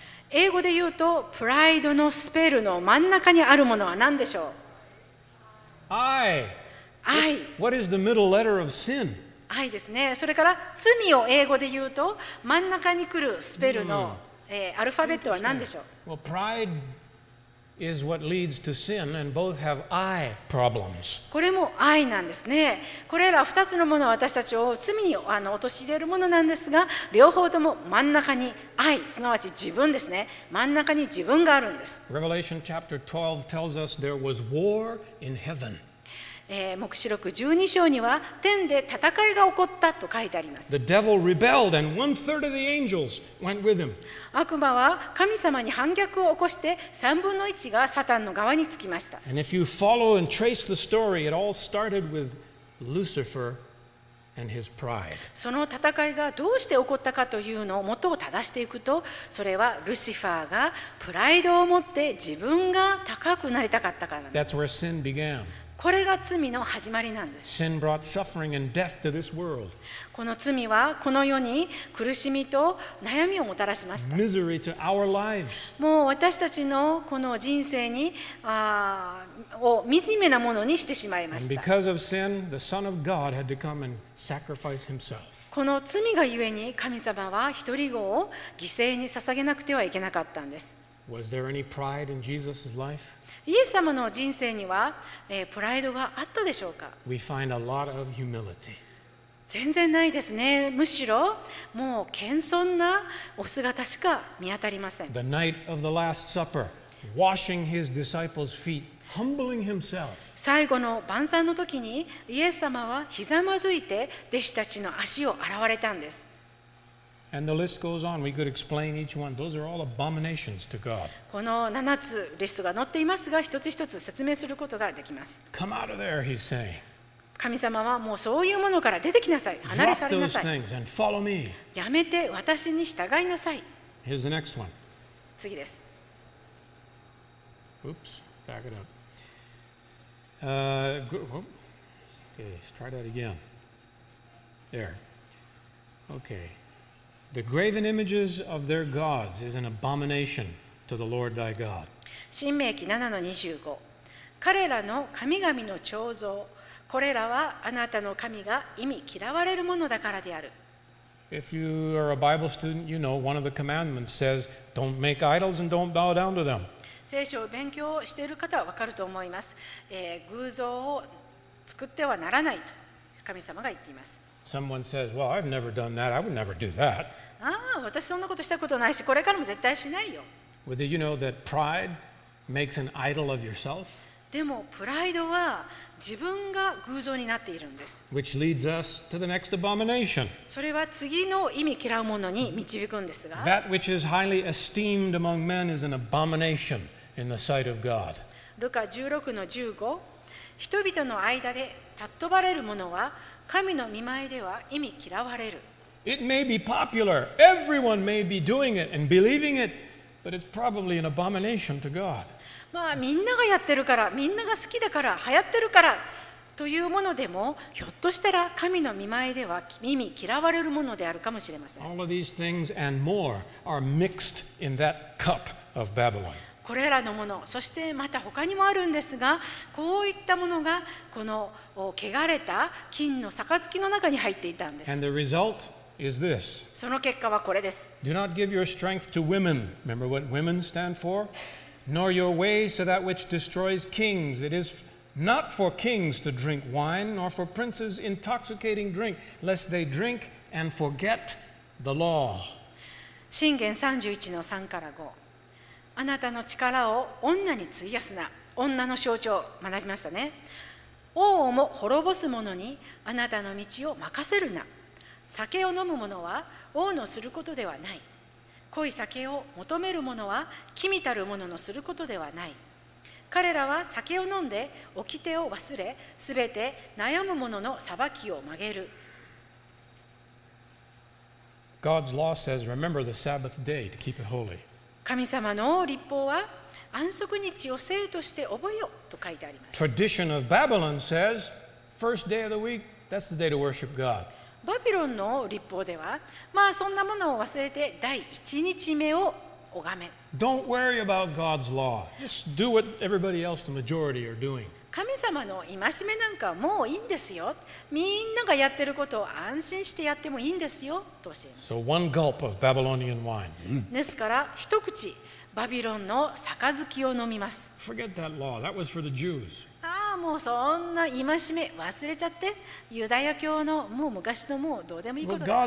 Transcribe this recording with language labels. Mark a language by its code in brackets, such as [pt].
[ja] 英語で言うと、プライドのスペルの真ん中にあるものは何でしょう？ [en] I. I. What is the middle letter of sin? [ja] 愛ですね。それから罪を英語で言うと真ん中に来るスペルの、アルファベットは何でしょう？ [en] Well, pride is what leads to sin, and both have I problems. [ja] これも愛なんですね。これら2つのものは私たちを罪に陥れるものなんですが、両方とも真ん中に愛、すなわち自分ですね。真ん中に自分があるんです。 [en] Revelation chapter 12 tells us there was war in heaven. [ja] 黙示録12章には天で戦いが起こったと書いてあります。 [en] The devil rebelled and one-third of the angels went with him. [ja] 悪魔は神様に反逆を起こして3分の1がサタンの側につきました。 [en] And if you follow and trace the story, it all started with Lucifer and his pride. [ja] その戦いがどうして起こったかというのを元を正していくと、それはルシファーがプライドを持って自分が高くなりたかったからなんです。 [en] That's where sin began. [ja] これが罪の始まりなんです。 [en] Sin brought suffering and death to this world. [ja] この罪はこの世に苦しみと悩みをもたらしました。 [en] Misery to our lives. [ja] もう私たちのこの人生にを惨めなものにしてしまいました。 [en] And because of sin, the Son of God had to come and sacrifice himself. [ja] この罪がゆえに神様は一人子を犠牲に捧げなくてはいけなかったんです。 [en] Was there any pride in Jesus' life? [ja] イエス様の人生には、プライドがあったでしょうか？ [en] We find a lot of humility. [ja] 全然ないですね。むしろもう謙遜なお姿しか見当たりません。 [en] The night of the last supper, washing his disciples' feet, humbling himself. [ja] 最後の晩餐の時にイエス様はひざまずいて弟子たちの足を洗われたんです。 [en] And the list goes on. We could explain each one. Those are all abominations to God. [ja] この7つリストが載っていますが、一つ一つ説明することができます。 [en] Come out of there, he's saying. [ja] 神様はもうそういうものから出てきなさい。離れ去りなさい。 [en] Drop those things and follow me. [ja] やめて私に従いなさい。 [en] Here's the next one. [ja] 次です。 [en] Oops, back it up. Okay, let's try that again. There. Okay. The graven images of their gods is an abomination to the Lord thy God. [ja] 申命記 7-25 彼らの神々の彫像、これらはあなたの神が忌み嫌われるものだからである。 [en] If you are a Bible student, you know one of the commandments says, don't make idols and don't bow down to them. [ja] 聖書を勉強している方はわかると思います。偶像を作ってはならないと神様が言っています。 [en] Someone says, "Well, I've never done that. I would never do that." [ja] Ah, 私そんなことしたことないし、これからも絶対しないよ。 [en] Well, do you know that pride makes an idol of yourself? [ja] でもプライドは自分が偶像になっているんです。 [en] Which leads us to the next abomination. [ja] それは次の忌み嫌うものに導くんですが。 [en] That which is highly esteemed among men is an abomination in the sight of God. [ja] ルカ 16-15 人々の間で尊ばれるものは神の御前では忌み嫌われる。 [en] It may be popular. Everyone may be doing it and believing it, but it's probably an abomination to God. [ja] まあ、みんながやってるから、みんなが好きだから、流行ってるからというものでも、ひょっとしたら神の御前では忌み嫌われるものであるかもしれません。 [en] All of these things and more are mixed in that cup of Babylon. [ja] これらのもの、そしてまた他にもあるんですが、こういったものがこの汚れた金の杯の中に入っていたんです。 [en] And the result is this. [ja] その結果はこれです。 [en] Do not give your strength to women. Remember what women stand for? Nor your ways to that which destroys kings. It is not for kings to drink wine, nor for princes intoxicating drink, lest they drink and forget the law. [ja] 箴言 31-3-5あなたの力を女に費やすな。女の象徴学びましたね。王をも滅ぼす者にあなたの道を任せるな。酒を飲む者は王のすることではない。濃い酒を求める者は君たる者のすることではない。彼らは酒を飲んで掟を忘れ、すべて悩む者の裁きを曲げる。 [en] God's law says remember the Sabbath day to keep it holy. [ja] 神様の律法は安息日を聖として覚えよと書いてあります。 [en] Tradition of Babylon says, first day of the week, that's the day to worship God. [ja] バビロンの律法では、まあそんなものを忘れて第一日目を拝め。 [en] Don't worry about God's law. Just do what everybody else, the majority, are doing. [ja] 神様の戒めなんかもういいんですよ。みんながやってることを安心してやってもいいんですよと教えます。 [en] So one gulp of Babylonian wine. [ja] ですから一口。バビロンの杯を飲みます。 [en] Forget that law. That was for the Jews. [ja] ああ、もうそんな戒め忘れちゃって、ユダヤ教のもう昔のもうどうでもいいことだ。